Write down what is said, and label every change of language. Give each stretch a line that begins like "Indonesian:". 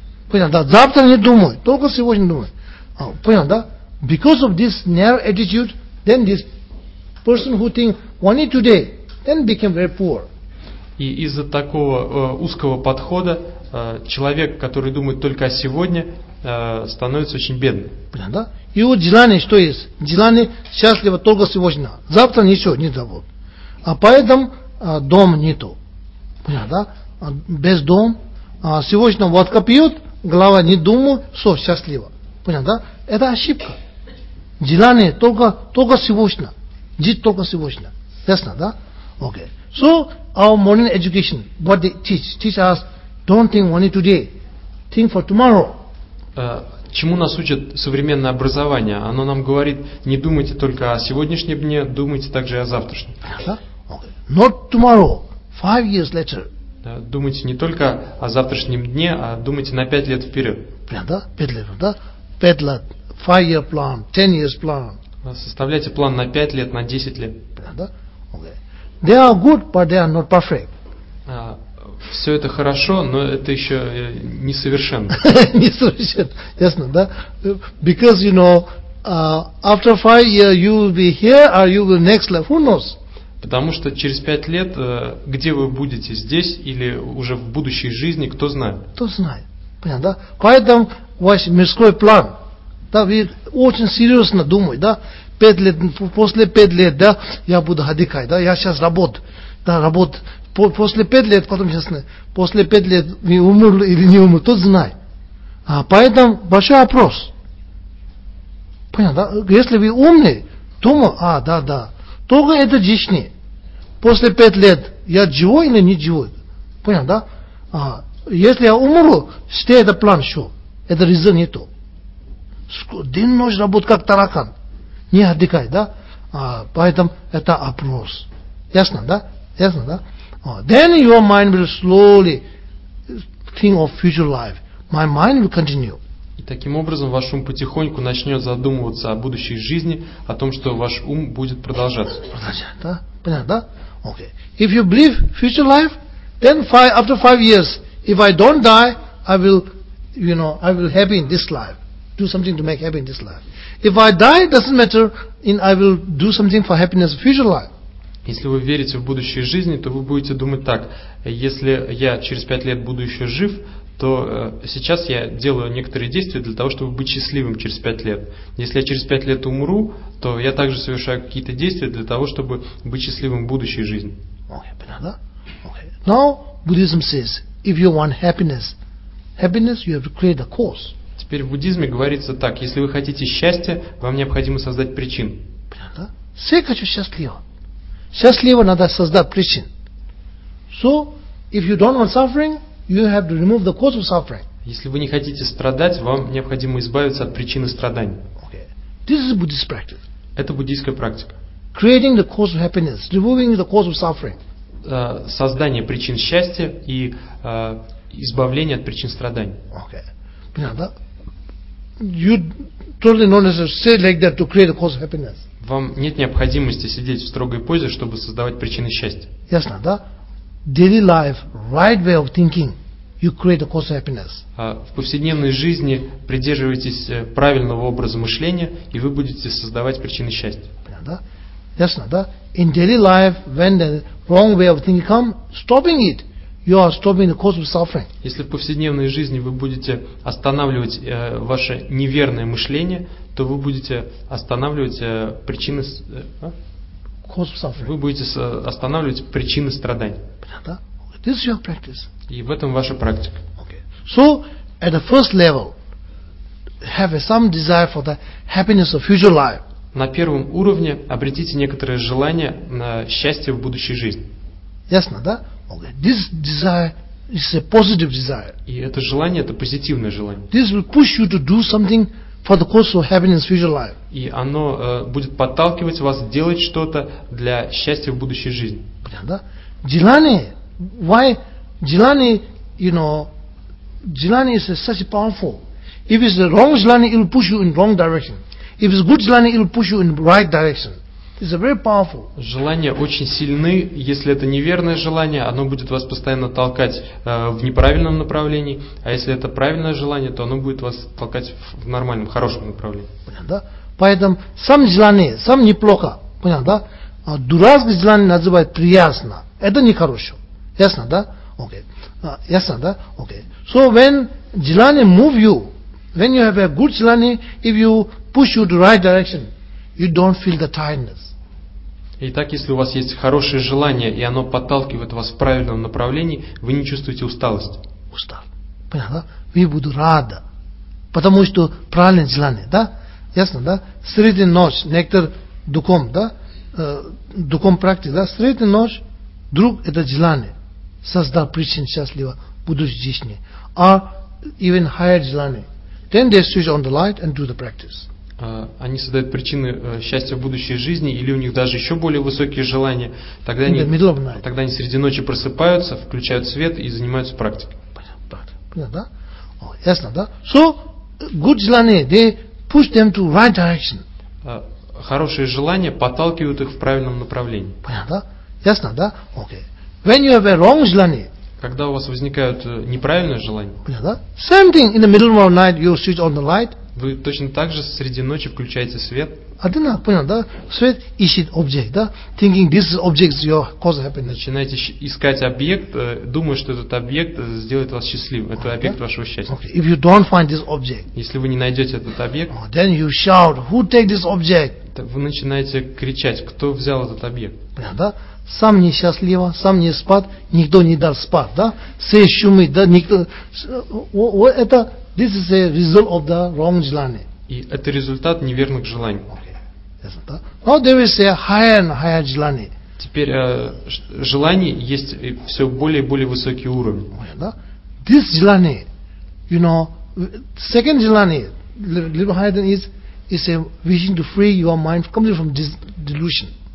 Russian: Понятно, да, завтра не думают, только сегодня думают. Понятно, да?
English: Because of this narrow attitude, then this person who thinks only today, then became very poor.
Russian: И из-за такого узкого подхода человек, который думает только о сегодня, становится очень бедным. Понятно, да? И вот желание, что есть? Желание счастливо только сегодня. Завтра ничего не зовут. А поэтому дом не то. Понятно, да? Без дом. Сегодня водка пьют, голова не думает, все счастливо. Понятно, да? Это ошибка. Желание только сегодня. Жить только сегодня. Ясно, да? Окей.
English: So, our modern education, what they teach us, don't think only today, think for tomorrow.
Russian: Чему нас учит современное образование? Оно нам говорит, не думайте только о сегодняшнем дне, думайте также и о завтрашнем.
English: Not tomorrow, 5 years later.
Russian: Думайте не только о завтрашнем дне, а думайте на 5 лет вперед. Да, 5 лет, да? 5 лет,
English: 5-year plan, 10-year plan.
Russian: Составляйте план на 5 лет, на 10 лет. Да, окей.
English: They are good, but they are not perfect.
Russian: Все это хорошо, но это еще несовершенно. Несовершенно, ясно, да?
English: Because, you know, after 5 years you will be here, or you will next life, who knows?
Russian: Потому что через 5 лет, где вы будете, здесь или уже в будущей жизни, кто знает? Кто знает, понятно, да? Поэтому ваш мирской план, да, вы очень серьезно думаете, да? 5 лет, после 5 лет, да, я буду ходить, да, я сейчас работаю, да, работаю. После 5 лет, потом, честно, после 5 лет, вы умерли или не умерли, тот знает. Поэтому большой вопрос. Понятно, да? Если вы умный, думаю, да, только это лишнее. После 5 лет я живой или не живой? Понятно, да? Если я умру, что это план, что? Это резон не то. День и ночь работа, как таракан. Не отдыхай, да? Поэтому это опрос. Ясно, да? Ясно, да?
English: Then your mind will slowly think of future life. My mind will continue.
Russian: И таким образом ваш ум потихоньку начнет задумываться о будущей жизни, о том, что ваш ум будет продолжаться. Продолжать, да? Понятно, да? Okay.
English: If you believe future life, then after 5 years, if I don't die, I will happy in this life. Do something to make happy in this life. If I die, doesn't matter, and I will do something for happiness in future life.
Russian: Если вы верите в будущую жизнь, то вы будете думать так: если я через 5 лет буду еще жив, то сейчас я делаю некоторые действия для того, чтобы быть счастливым через 5 лет. Если я через 5 лет умру, то я также совершаю какие-то действия для того, чтобы быть счастливым в будущей жизни. Okay, понятно, да? Okay.
English: Now Buddhism says, if you want happiness, you have to create a cause.
Russian: Теперь в буддизме говорится так: если вы хотите счастья, вам необходимо создать причин. Понятно? Все хочу счастливо. Счастливо надо создать причин.
English: So, if you don't want suffering, you have to remove the cause of suffering.
Russian: Если вы не хотите страдать, вам необходимо избавиться от причины страданий.
English: Okay. This is Buddhist practice.
Russian: Это буддийская практика.
English: Creating the cause of happiness, removing the cause of suffering.
Russian: Создание причин счастья и избавление от причин страданий. Okay. Понятно, да?
English: You totally not necessary to say like that to create a cause of happiness.
Russian: Вам нет необходимости сидеть в строгой позе, чтобы создавать причины счастья. Ясно, да?
English: Daily life, right way of thinking, you create a cause of happiness.
Russian: В повседневной жизни придерживайтесь правильного образа мышления, и вы будете создавать причины счастья. Понятно, да? Ясно, да?
English: In daily life, when the wrong way of thinking comes, stopping it. You are stopping the cause of suffering.
Russian: Если в повседневной жизни вы будете останавливать ваше неверное мышление, то вы будете останавливать причины.
English: Cause of suffering.
Russian: Вы будете останавливать причины страданий. Понятно?
English: This is your practice.
Russian: И в этом ваша практика.
English: Okay. So at the first level, have some desire for the happiness of future life.
Russian: На первом уровне обретите некоторое желание на счастье в будущей жизни. Ясно, да?
English: Okay. This desire is a positive desire.
Russian: И это желание, это позитивное желание.
English: This will push you to do something for the cause of happiness in future life.
Russian: И оно будет подталкивать вас делать что-то для счастья в будущей жизни. Понятно, да? Желание,
English: why?
Russian: Желание,
English: you know, Jilani is such a powerful. If it's the wrong jilani, it will push you in the wrong direction. If it's good jilani, it will push you in the right direction. It's very powerful.
Russian: Желания очень сильны. Если это неверное желание, оно будет вас постоянно толкать в неправильном направлении. А если это правильное желание, то оно будет вас толкать в нормальном, хорошем направлении. Понятно, да? Поэтому сам желание, сам неплохо. Понятно, да? А дурацкое желание называют приязно. Это нехорошо. Ясно, да? Окей. Okay. Ясно, да? Окей. Okay.
English: So when желание move you, when you have a good желание, if you push you the right direction, you don't feel the tiredness.
Russian: Итак, если у вас есть хорошее желание, и оно подталкивает вас в правильном направлении, вы не чувствуете усталость. Устал. Понятно, да? Вы будете рады. Потому что правильное желание, да? Ясно, да? Среди ночи, некоторые духом, да? Духом практики, да? Среди ночи, вдруг это желание создал причину счастлива, буду здесь не.
English: А even higher желание. Then they switch on the light and do the practice.
Russian: Они создают причины счастья в будущей жизни или у них даже еще более высокие желания. Тогда они среди ночи просыпаются, включают свет и занимаются практикой. Понятно, да? Ясно, да?
English: So, good желание, they push them to right direction.
Russian: Хорошие желания подталкивают их в правильном направлении. Понятно, да? Ясно, да? Окей.
English: When you have a wrong желание,
Russian: когда у вас возникают неправильные желания, понятно, да?
English: Same thing in the middle of night, you switch on the light.
Russian: Вы точно так же среди ночи включаете свет. Одинаково, понятно, да? Свет ищет объект, да?
English: Thinking this object is your cause happiness.
Russian: Начинаете искать объект, думая, что этот объект сделает вас счастливым. Это объект вашего счастья.
English: Okay. If you don't find this object,
Russian: если вы не найдете этот объект,
English: then you shout, who take this object?
Russian: Вы начинаете кричать, кто взял этот объект. Понятно, да? Сам не счастлива, сам не спад, никто не дал спад, да? Все шумы, да, никто... Это...
English: This is a result of the wrong желание.
Russian: И это результат неверных желаний.
English: Okay. Yes, да? Now there is a higher and higher желание.
Russian: Теперь желание есть все более и более высокий уровень. Okay, да?
English: This желание, you know, second желание, little higher than it, is a vision to free your mind completely from this delusion.